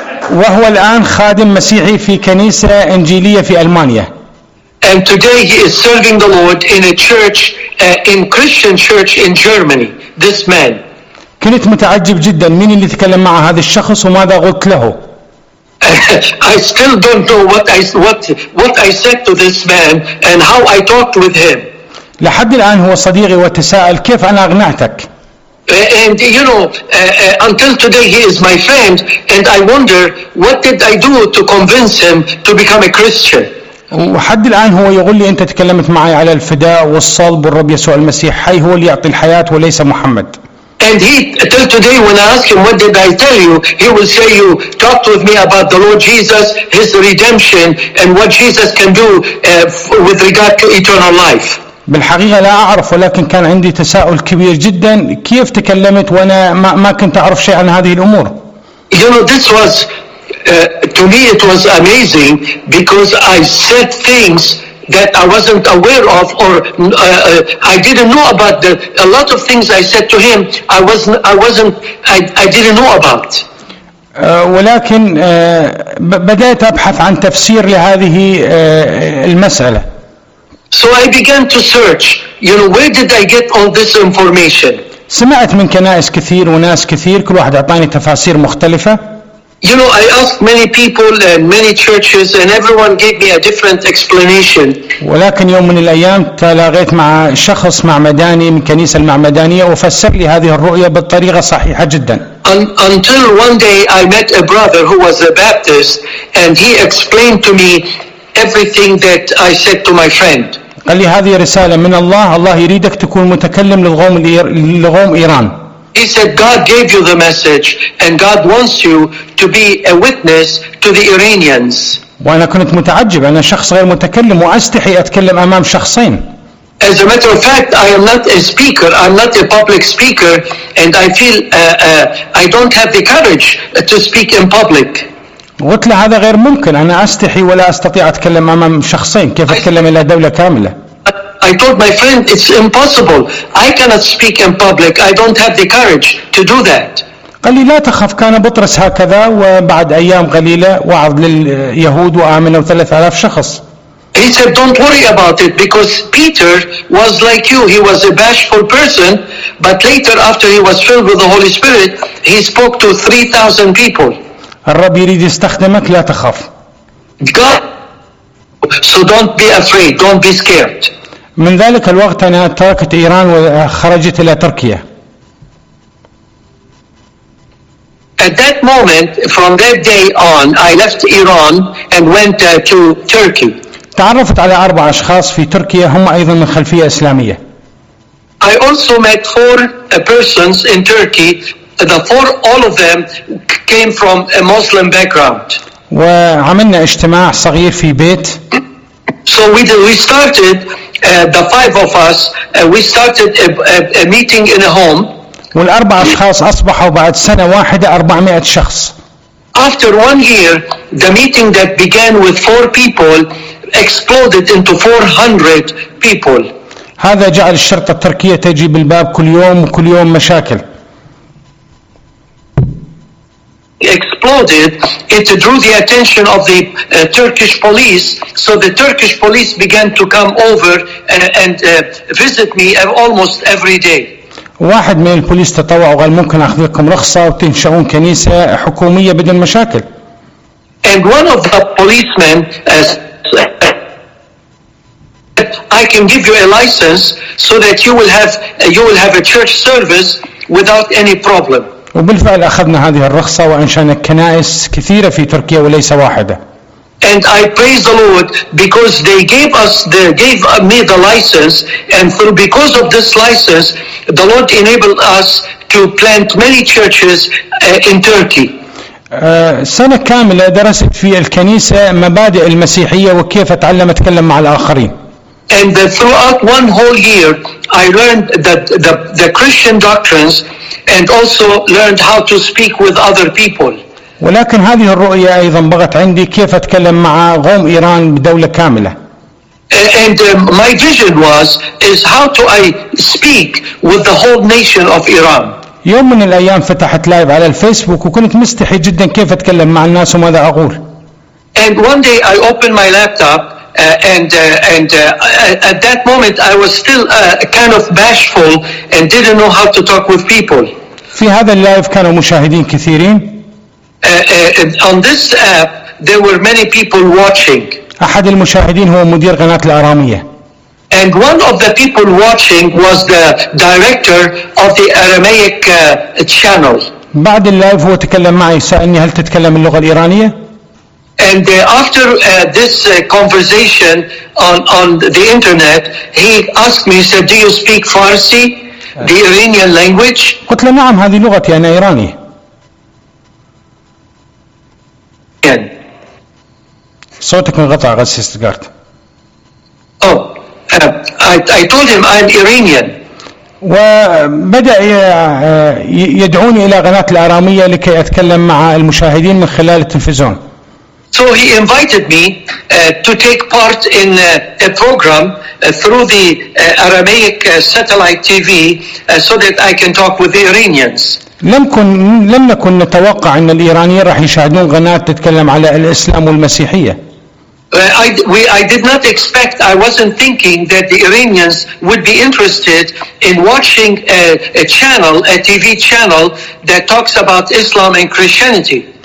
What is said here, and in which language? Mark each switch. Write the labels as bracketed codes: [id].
[ar] وهو الآن خادم مسيحي في كنيسة إنجيلية في ألمانيا. [en] And today he is serving the Lord in a church, in Christian church in Germany. This man. [ar] كنت متعجب جدا مين اللي تكلم مع هذا الشخص وماذا قلت له. [en] I still don't know what I said to this man and how I talked with him. [ar] لحد الآن هو صديقي وتساءل كيف أنا أقنعتك. [en] And, you know, until today he is my friend, and I wonder, what did I do to convince him to become a Christian? [ar] وحد الآن هو يقول لي أنت تكلمت معي على الفداء والصلب والرب يسوع المسيح حي هو اللي يعطي الحياة وليس محمد. [en] And he till today when I ask him what did I tell you, he will say you talked with me about the Lord Jesus, his redemption, and what Jesus can do with regard to eternal life. [ar] بالحقيقة لا أعرف ولكن كان عندي تساؤل كبير جدا كيف تكلمت وأنا ما كنت أعرف شيء عن هذه الأمور. [en] You know this was. To me it was amazing because I said things that I wasn't aware of or I didn't know about the, a lot of things I said to him I didn't know about [ar] ولكن بدأت أبحث عن تفسير لهذه المسألة. [en] So I began to search, you know, where did I get all this information. [ar] سمعت من كنائس كثير وناس كثير كل واحد أعطاني تفاسير مختلفة. [en] You know, I asked many people and many churches, and everyone gave me a different explanation. [ar] ولكن يوم من الأيام تلاقيت مع شخص معمداني من كنيسة المعمدانية وفسر لي هذه الرؤية بالطريقة صحيحة جدا. [en] Until one day I met a brother who was a Baptist, and he explained to me everything that I said to my friend. [ar] قال لي هذه رسالة من الله. الله يريدك تكون متكلم لغوم إيران. [en] He said, God gave you the message and God wants you to be a witness to the Iranians. [ar] وأنا كنت متعجب. أنا شخص غير متكلم وأستحي أتكلم أمام شخصين. [en] As a matter of fact, I am not a speaker. I'm not a public speaker. And I feel I don't have the courage to speak in public. [ar] قلت له هذا غير ممكن. أنا أستحي ولا أستطيع أتكلم أمام شخصين. كيف أتكلم إلى دولة كاملة؟ [en] I told my friend, it's impossible. I cannot speak in public. I don't have the courage to do that. [ar] قال لي لا تخف. كان بطرس هكذا وبعد أيام قليلة وعظ لليهود وآمنوا 3,000 شخص. [en] He said, don't worry about it because Peter was like you. He was a bashful person. But later after he was filled with the Holy Spirit, he spoke to 3,000 people. [ar] الرب يريد يستخدمك لا تخف. [en] God, so don't be afraid. Don't be scared. [ar] من ذلك الوقت أنا تركت إيران وخرجت إلى تركيا. [en] At that moment, from that day on, I left Iran and went to Turkey. [ar] تعرفت على 4 أشخاص في تركيا هم أيضا من خلفية إسلامية. [en] I also met 4 persons in Turkey. The 4, all of them came from a Muslim background. [ar] وعملنا اجتماع صغير في بيت. [en] So we started, the 5 of us, we started a meeting in a home. [ar] والأربع أشخاص أصبحوا بعد سنة واحدة 400 شخص. [en] After 1 year, the meeting that began with 4 people exploded into 400 people. [ar] هذا جعل الشرطة التركية تجي بالباب كل يوم وكل يوم مشاكل. [en] Exploded, it drew the attention of the Turkish police, so the Turkish police began to come over and visit me almost every day. [ar] واحد من البوليس تطوع وقال ممكن اخذكم رخصة وتنشئون كنيسة حكومية بدون مشاكل. [en] And one of the policemen said, I can give you a license so that you will have a church service without any problem. [ar] وبالفعل أخذنا هذه الرخصة وأنشأنا كنائس كثيرة في تركيا وليس واحدة. [en] And I praise the Lord because they gave me the license, and through because of this license, the Lord enabled us to plant many churches in Turkey. [ar] سنة كاملة درست في الكنيسة مبادئ المسيحية وكيف أتعلم أتكلم مع الآخرين. [en] And throughout one whole year, I learned that the Christian doctrines. And also learned how to speak with other people. [ar] ولكن هذه الرؤية أيضا بغت عندي كيف أتكلم مع قوم إيران بدولة كاملة. [en] And my vision is how do I speak with the whole nation of Iran? [ar] يوم من الأيام فتحت لايف على الفيسبوك وكنت مستحي جدا كيف أتكلم مع الناس وماذا أقول. [en] And one day I opened my laptop. And at that moment I was still kind of bashful and didn't know how to talk with people. [ar] في هذا اللايف كانوا مشاهدين كثيرين. [en] On this app there were many people watching. [ar] أحد المشاهدين هو مدير قناة الأرامية. [en] And one of the people watching was the director of the Aramaic channel. [ar] بعد اللايف هو تكلم معي سألني هل تتكلم اللغة الإيرانية؟ [en] And after this conversation on the internet, he asked me, he said, "Do you speak Farsi, the Iranian language?" [ar] قلت له نعم هذه لغتي أنا إيراني. [en] Again. [ar] صوتك انقطع غسل استقرت. [en] Oh. I told him I'm Iranian. [ar] وبدأ يدعوني إلى قناة الآرامية لكي أتكلم مع المشاهدين من خلال التلفزيون. [en] So he invited me to take part in a program through the Aramaic satellite TV so that I can talk with the Iranians. [ar] لم نكن نتوقع أن الإيرانيين راح يشاهدون قناة تتكلم على الإسلام والمسيحية. [en] I did not expect, I wasn't thinking that the Iranians would be interested in watching a channel, a TV channel that talks about Islam and Christianity.